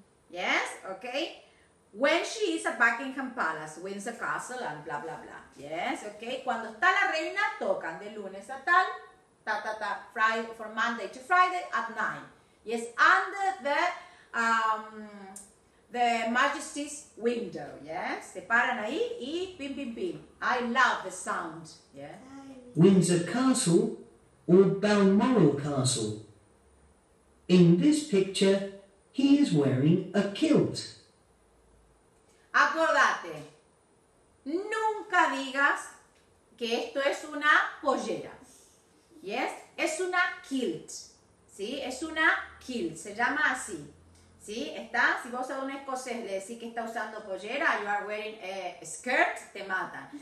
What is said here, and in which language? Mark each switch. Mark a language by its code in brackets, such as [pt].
[en] Yes, okay. When she is at Buckingham Palace, Windsor Castle, and blah, blah, blah. Yes, okay. [es] Cuando está la reina, tocan de lunes a tal. [en] Ta ta ta. Friday, from Monday to Friday at 9. Yes, under the Majesty's window. Yes, [es] se paran ahí y [en] pim pim pim. I love the sound. Yeah. Windsor Castle or Balmoral Castle. In this picture, he is wearing a kilt. [es] Acordate, nunca digas que esto es una pollera. Yes, es una kilt, ¿sí? Es una kilt, se llama así, ¿sí? Está, si vos a un escocés le decís que está usando pollera, [en] you are wearing a skirt, [es] te mata.